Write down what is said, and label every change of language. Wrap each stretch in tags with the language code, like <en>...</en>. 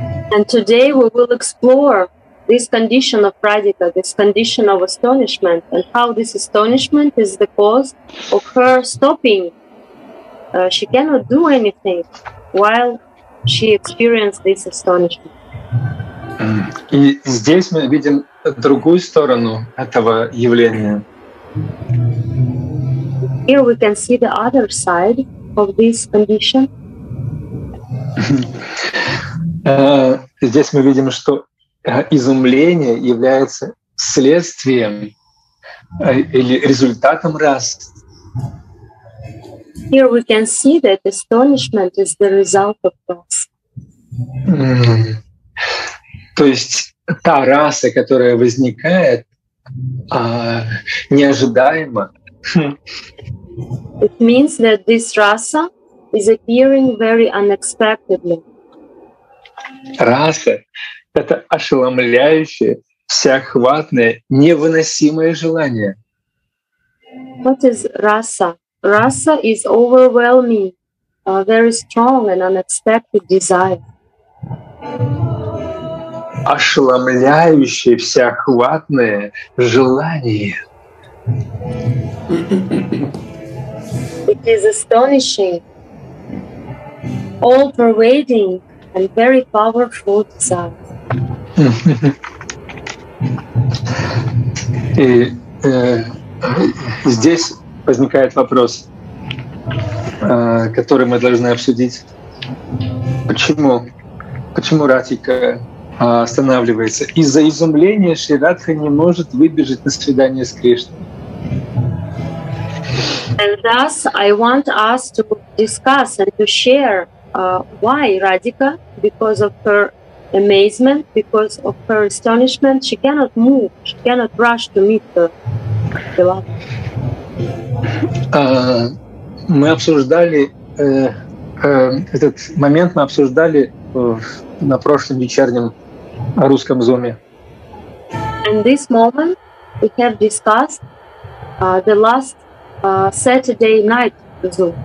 <en>And today we will explore this condition of Radhika, this condition of astonishment, and how this astonishment is the cause of her stopping. She cannot do anything while she experiences this astonishment.</en> <ru>И здесь мы видим другую сторону этого явления.</ru> <en>Here we can see the other side of this condition.</en> <ru>Здесь мы видим, что изумление является следствием или результатом рас.</ru> <en>Here we can see that astonishment is the result of rasa.</en> <ru>То есть та раса, которая возникает неожидаемо.</ru> <en>It means that this rasa is appearing very unexpectedly.</en> <ru>Раса — это ошеломляющее, всеохватное, невыносимое желание.</ru> <en>What is rasa? Rasa is overwhelming, very strong and unexpected desire.</en> <ru>Ошеломляющее, всеохватное желание.</ru> <en>It is astonishing, all-pervading and very powerful desire.</en> <ru>И здесь возникает вопрос, который мы должны обсудить. Почему? Почему Ратика останавливается? Из-за изумления Шри Радха не может выбежать на свидание с Кришной.</ru> <en>And thus I want us to discuss and to share why Radhika, because of her amazement, because of her astonishment, she cannot move, she cannot rush to meet the love.</en> <ru>Мы обсуждали этот момент, мы обсуждали на прошлом вечернем русском зуме.</ru> <en>And this moment we have discussed the last Saturday night zoom.</en>